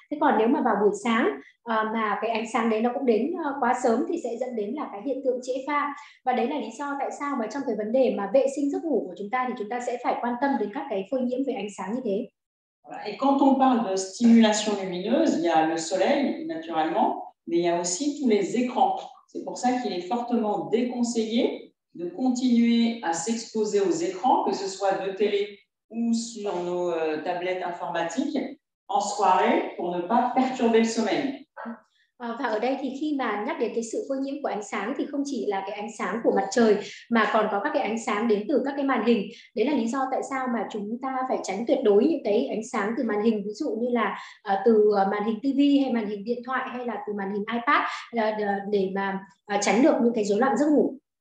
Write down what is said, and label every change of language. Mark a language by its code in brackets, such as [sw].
[vi] Thế còn nếu mà vào buổi sáng mà cái ánh sáng đấy nó cũng đến quá sớm thì sẽ dẫn đến là cái hiện tượng trễ pha. Và đấy là lý do tại sao mà trong cái vấn đề mà vệ sinh giấc ngủ của chúng ta thì chúng ta sẽ phải quan tâm đến các cái phơi nhiễm về ánh sáng như thế. [fr] Et quand on parle de stimulation lumineuse, il y a le soleil naturellement, mais il y a aussi tous les écrans. C'est pour ça qu'il est fortement déconseillé de continuer à s'exposer aux écrans, que ce soit de télé ou sur nos tablettes informatiques, en soirée pour ne pas perturber le sommeil. [vi] Và ở đây thì khi mà nhắc đến cái sự phơi nhiễm của ánh sáng thì không chỉ là cái ánh sáng của mặt trời mà còn có các cái ánh sáng đến từ các cái màn hình. Đấy là lý do tại sao mà chúng ta phải tránh tuyệt đối những cái ánh sáng từ màn hình, ví dụ như là từ màn hình TV hay màn hình điện thoại hay là từ màn hình iPad, để mà tránh được những cái rối loạn giấc ngủ.